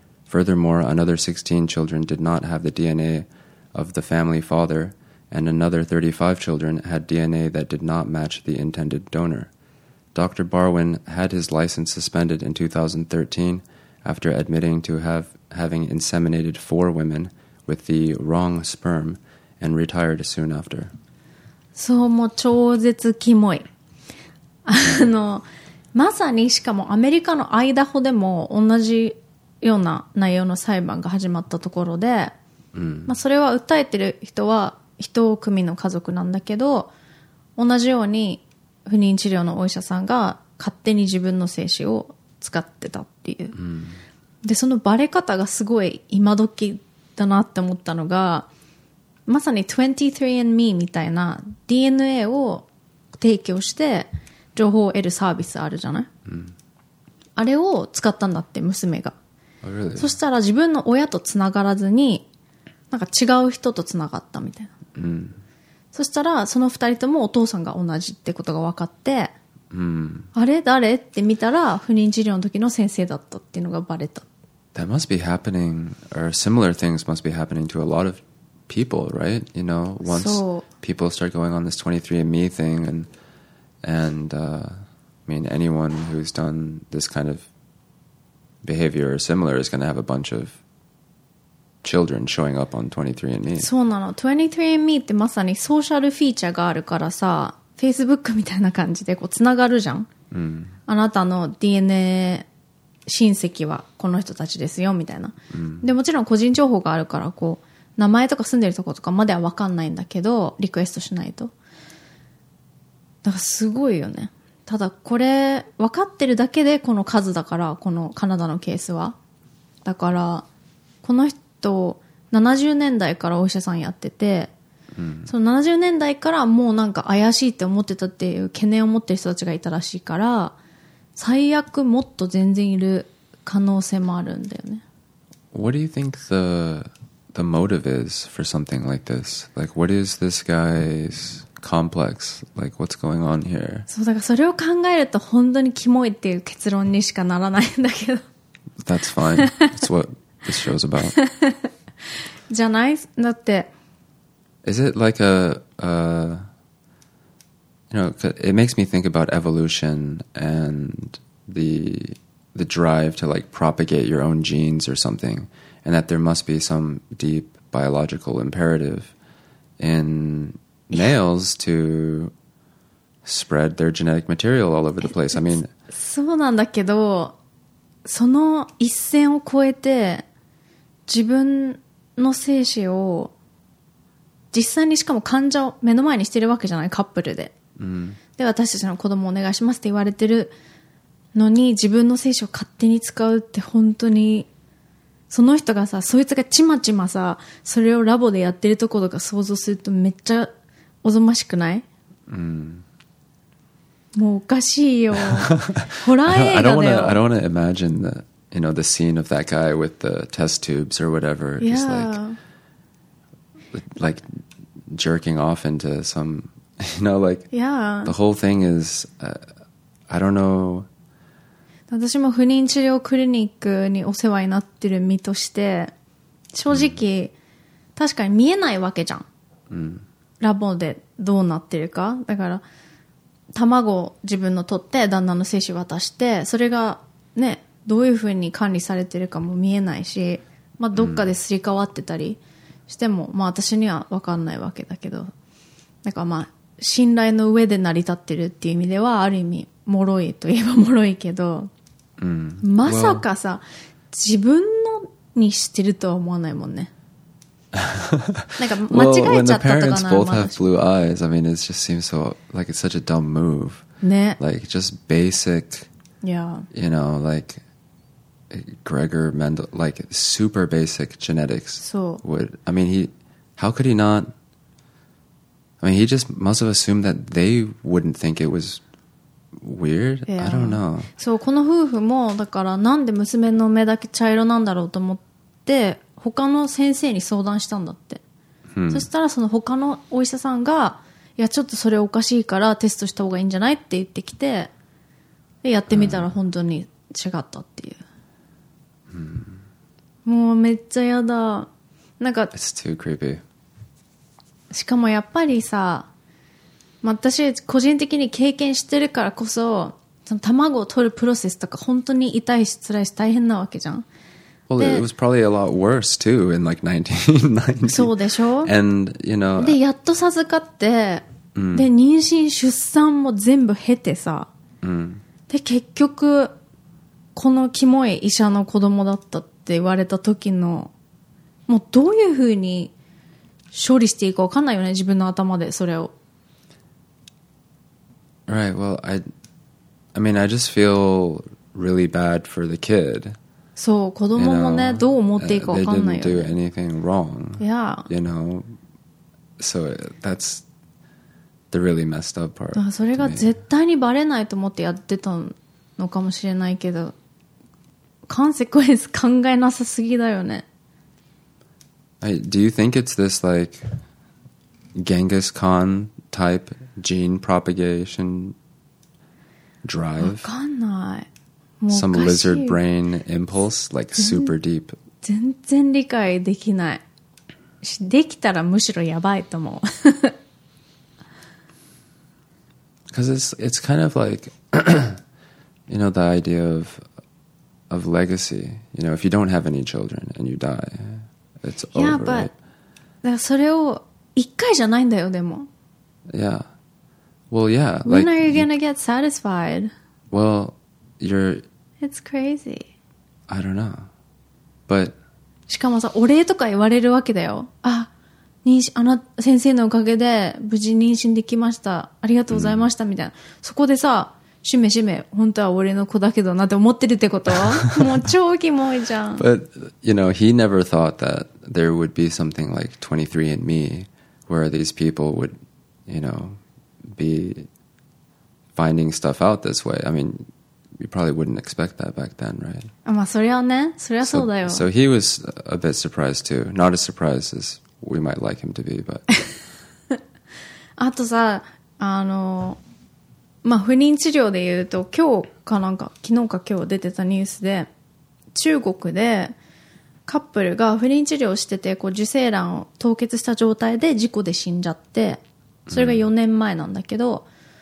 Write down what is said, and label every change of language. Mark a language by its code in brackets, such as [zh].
[en] Furthermore, another 16 children did not have the DNA of the family father,and another 35 children had DNA that did not match the intended donor. Dr. Barwin had his license suspended in 2013 after admitting to having inseminated 4 women with the wrong sperm and retired soon after. [ja] そう、もう超絶キモい。あの、まさにしかもアメリカのアイダホでも同じような内容の裁判が始まったところで、まあ、それは訴えてる人は一組の家族なんだけど、同じように不妊治療のお医者さんが勝手に自分の精子を使ってたっていう、でそのバレ方がすごい今時だなって思ったのが、まさに 23andMe みたいな DNA を提供して情報を得るサービスあるじゃない、あれを使ったんだって娘が、そしたら自分の親とつながらずになんか違う人とつながったみたいな、そしたらその二人ともお父さんが同じってことが分かって、あれ誰って見たら不妊治療の時の先生だったっていうのがバレた。 [en] That must be happening, or similar things must be happening to a lot of people, right? You know, once people start going on this 23andMe thing, I mean, anyone who's done this kind of behavior or similar is going to have a bunch of children showing up on 23andMe. [ja] そうなの。 23andMe ってまさにソーシャルフィーチャーがあるからさ、 Facebook みたいな感じでこうつながるじゃん、あなたの DNA 親戚はこの人たちですよみたいな、でもちろん個人情報があるからこう名前とか住んでるとことかまでは分かんないんだけど、リクエストしないと。だからすごいよね。ただこれ分かってるだけでこの数だから、このカナダのケースは。だからこの人70年代からお医者さんやってて、その70年代からもうなんか怪しいって思ってたっていう懸念を持ってる人たちがいたらしいから、最悪もっと全然いる可能性もあるんだよね。 [en] What do you think the motive is for something like this? Like, what is this guy's complex? Like, what's going on here? [ja] そう、だからそれを考えると本当にキモいっていう結論にしかならないんだけど。 [en] That's fine. That's whatThis show's about. [ja] じゃない？だって。 [en] Is it like a, you know, it makes me think about evolution and the drive to like propagate your own genes or something. and that there must be some deep biological imperative in males to spread their genetic material all over the place. I mean, [ja] そうなんだけど、その一線を越えて自分の精子を実際にしかも患者を目の前にしてるわけじゃない、カップルで、うん、で私たちの子供お願いしますって言われてるのに自分の精子を勝手に使うって本当に、その人がさ、そいつがちまちまさそれをラボでやってるところとか想像するとめっちゃおぞましくない、うん、もうおかしいよ。ホラー映画だよ。 [en] I don't want to imagine the, you know, the scene of that guy with the test tubes or whatever. Yeah. Just like jerking off into some, you know, like, yeah. The whole thing is, I don't know. [ja] 私も不妊治療クリニックにお世話になってる身として、正直、mm. 確かに見えないわけじゃん。 Mm. ラボでどうなってるか。だから、卵を自分の取って旦那の精子渡して、それがねどういうふうに管理されてるかも見えないし、まあどっかですり替わってたりしても、うん、まあ私には分かんないわけだけど、なんかまあ信頼の上で成り立ってるっていう意味ではある意味脆いといえば脆いけど、うん、まさかさ、well. 自分のにしてるとは思わないもんね。 [en] Well, when the parents both have blue eyes, I mean, it just seems so, like, it's such a dumb move. [ja] ね。 [en] Like, just basic, yeah. You know, like, Gregor Mendel, like, super basic genetics. So. Would, I mean, how could he not, I mean, he just must have assumed that they wouldn't think it was weird. Yeah. I don't know. [ja] So, この夫婦も、だから、なんで娘の目だけ茶色なんだろうと思って、他の先生に相談したんだって、 hmm. そしたらその他のお医者さんが、いやちょっとそれおかしいからテストした方がいいんじゃないって言ってきて、でやってみたら本当に違ったっていう、 hmm. もうめっちゃやだ、なんか [en] It's too creepy. [ja] しかもやっぱりさ、私個人的に経験してるからこ そ, その卵を取るプロセスとか本当に痛いし辛いし大変なわけじゃん。 [en] Well, it was probably a lot worse too in like 1990. [ja] そうでしょ? [en] And, you know. [ja] で、やっと授かって、で、妊娠、出産も全部経てさ。で、結局、このキモい医者の子供だったって言われた時の、もうどういうふうに処理していいか分かんないよね、自分の頭でそれを。 [en] Right, well, I mean, I just feel really bad for the kid. [ja] そう、子供もね、 [en] you know, [ja] どう思っていいか分かんないよ、ね。 [en] They didn't do anything wrong. Yeah. You know? So that's the really messed up part. [ja] それが絶対にバレないと思ってやってたのかもしれないけど、カンセクエンス考えなさすぎだよね。 [en] Do you think it's this like Genghis Khan type gene propagation drive? [ja] 分かんない。 [en] Some lizard brain impulse, like super deep. [ja] 全然理解できない。できたらむしろやばいと思う。 [en] Because it's kind of like, you know, the idea of legacy. You know, if you don't have any children and you die, it's over. Yeah, but、 right? [ja] だからそれを一回じゃないんだよ、でも。 [en] Yeah. Well, yeah. When like, are you going to get satisfied? Well, you're... It's crazy. I don't know. But... [ja] しかもさ、お礼とか言われるわけだよ。あ、妊娠、あの先生のおかげで無事妊娠できました。ありがとうございました。みたいな。そこでさ、しめしめ、本当は俺の子だけどなって思ってるってこと? もう超キモいじゃん。 [en] But, you know, he never thought that there would be something like 23andMe where these people would, you know, be finding stuff out this way. I mean... You probably wouldn't expect that back then, right? [ja] まあ、そりゃね、そりゃそうだよ。 [en] So he was a bit surprised too. Not as surprised as we might like him to be, but... [ja] あとさ、まあ、不妊治療で言うと、今日かなんか、昨日か今日出てたニュースで、中国でカップルが不妊治療してて、こう受精卵を凍結した状態で事故で死んじゃって、それが4年前なんだけど、mm.